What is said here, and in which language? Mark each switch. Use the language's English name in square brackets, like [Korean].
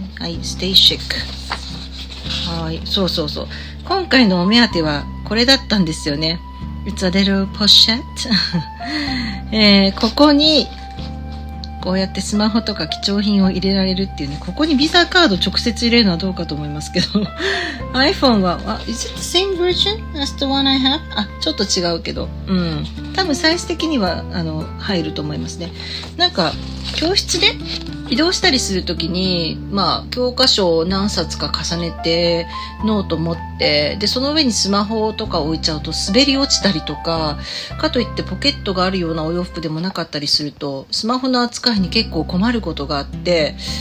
[Japanese] はい。 [English] stay chic。 [Japanese] はい。そうそうそう。今回のお目当てはこれだったんですよね。 [English] It's a little pochette. [Japanese] ここに、こうやってスマホとか貴重品を入れられるっていうね、ここにビザカード直接入れるのはどうかと思いますけど。 [English] iPhone は、Is it the same version as the one I have? [Japanese] あ、ちょっと違うけど。うん。多分サイズ的には、入ると思いますね。なんか、教室で移動したりするときに、まあ、教科書を何冊か重ねて、ノート持って、で、その上にスマホとか置いちゃうと滑り落ちたりとか、かといってポケットがあるようなお洋服でもなかったりすると、スマホの扱いに結構困ることがあって、